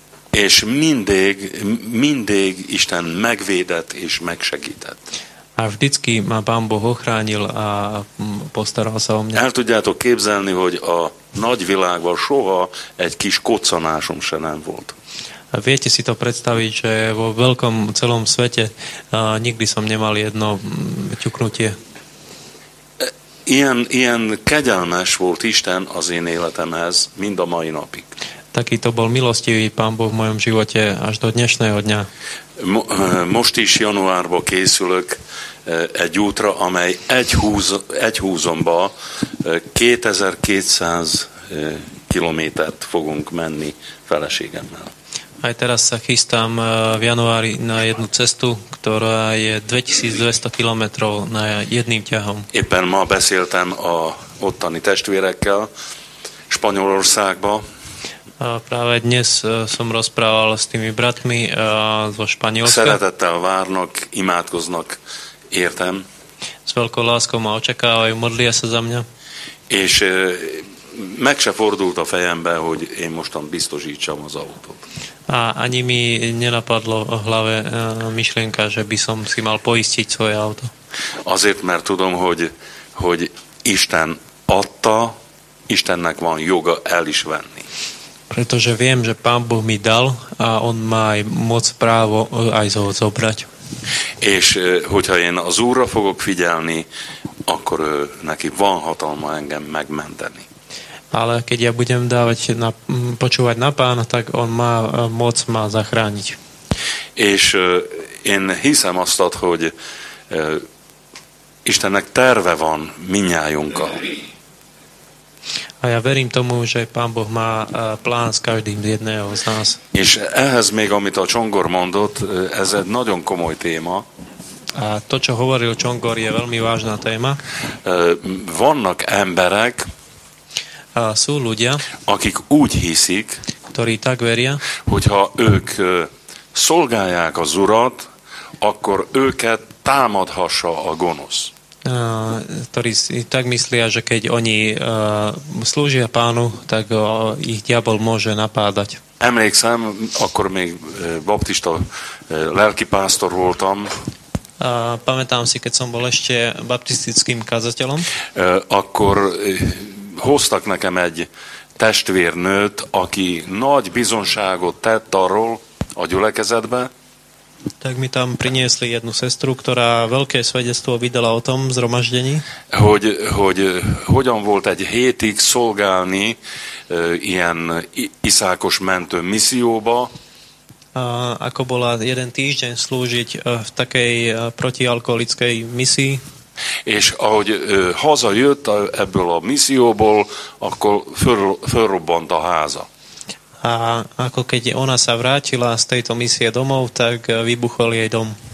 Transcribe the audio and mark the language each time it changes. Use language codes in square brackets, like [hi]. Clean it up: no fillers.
[hu] És mindig Isten megvédett és megsegített. [sk] A vždycky ma Pán Boh ochránil a postaral sa o mňa. [hu] El tudjátok képzelni, hogy a nagy világban soha egy kis koccanásom se nem volt. [sk] viete si to predstaviť, že vo veľkom celom svete nikdy som nemal jedno ťuknutie? [hu] Ilyen kegyelmes volt Isten az én életemhez, mind a mai napig. [sk] Taký to bol milostivý Pán Boh v mojom živote až do dnešného dňa. [hu] Most is januárba készülök egy útra, amely egy húzomba 2200 kilométert fogunk menni feleségemmel. [sk] Aj teraz sa chystám v januári na jednu cestu, ktorá je 2200 kilometrov na jedným ťahom. [hu] Éppen ma beszéltem a ottani testvérekkel Spanyolországba. [sk] Práve dnes som rozprával s tými bratmi zo Španielska. [hu] Szeretettel várnak, imádkoznak, értem. [sk] S veľkou láskou ma očakávajú, modlia sa za mňa. [hu] És meg se fordult a fejembe, hogy én mostan biztosítsam az autót. [sk] A ani mi nenapadlo v hlave myšlienka, že by som si mal poistiť svoje auto. [hu] Azért, mert tudom, hogy Isten adta, Istennek van joga el is venni. [sk] Pretože viem, že Pán Boh mi dal a on má aj moc právo aj zobrať. [hu] És hogyha én az Úrra fogok figyelni, akkor neki van hatalma engem megmenteni. [sk] Ale keď ja budem dávať na, počúvať na Pána, tak on má moc ma zachrániť. [hu] És én hiszem azt, hogy Istennek terve van minnyájunkkal. [sk] A ja verím tomu, že Pán Boh má plán s každým jedného z nás. [hu] És ehhez még, amit a Csongor mondott, ez egy nagyon komoly téma. [sk] A to, čo hovoril Csongor, je veľmi vážna téma. [hu] Vannak emberek, [sk] sú ľudia, [hu] akik úgy hiszik, [sk] ktorí tak veria, [hu] hogyha ők szolgálják az Urat, akkor őket támadhassa a gonosz. [sk] Ktorí tak myslia, že keď oni slúžia Pánu, tak ich diabol môže napádať. [hu] Emlékszem, akkor még baptista lelkipásztor voltam. [sk] Pamätám si, keď som bol ešte baptistickým kazateľom. [hu] Akkor hoztak nekem egy testvérnőt, aki nagy bizonságot tett arról a gyülekezetbe. [sk] Tak mi tam priniesli jednu sestru, ktorá veľké svedectvo vydala o tom zhromaždení. [hu] Hogy hogyan volt egy hétig szolgálni ilyen iszákos mentő misszióba. [sk] Ako bola jeden týždeň slúžiť v takej protialkoholickej misii. [hu] És ahogy hazajött ebből a misszióból, akkor fölrobbant a háza. [sk] A ako keď ona sa vrátila z tejto misie domov, tak vybuchol jej dom.